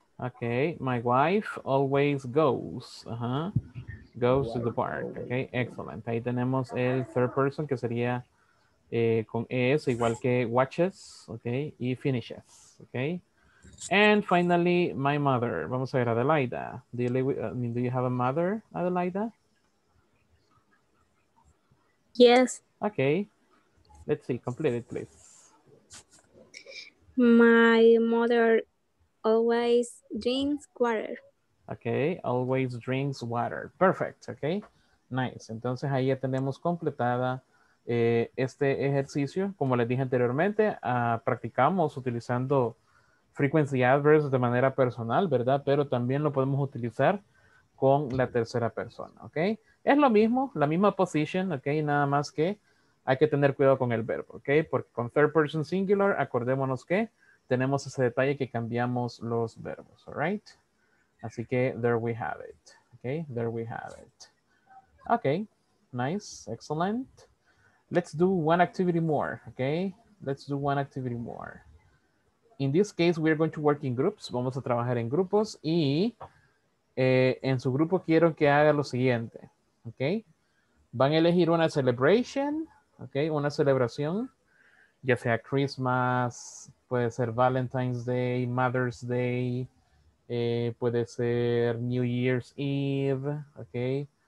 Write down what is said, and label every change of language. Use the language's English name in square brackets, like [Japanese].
[English] Okay, my wife always goes, goes to the park. Okay, excellent. [Spanish] Ahí tenemos el third person que sería con es igual que watches, okay, y finishes, okay. [English] And finally, my mother. [Spanish] Vamos a ver, [English] Adelaida. Do you live with, do you have a mother, Adelaida? Yes. Okay. Let's see. Complete it, please. My mother always drinks water. Okay, always drinks water. Perfect, okay. Nice. [Spanish] Entonces ahí ya tenemos completada este ejercicio. Como les dije anteriormente, practicamos utilizando frequency adverbs de manera personal, ¿verdad? Pero también lo podemos utilizar con la tercera persona, okay. Es lo mismo, la misma position, okay. Nada más que hay que tener cuidado con el verbo, okay. Porque con third person singular, acordémonos que tenemos ese detalle que cambiamos los verbos, all right? Así que, [English] there we have it. Okay, there we have it. Okay, nice, excellent. Let's do one activity more, okay? Let's do one activity more. In this case, we are going to work in groups. [Spanish] Vamos a trabajar en grupos y en su grupo quiero que haga lo siguiente, okay? Van a elegir una celebration, okay? Una celebración, ya sea Christmas, puede ser Valentine's Day, Mother's Day, puede ser New Year's Eve, okay?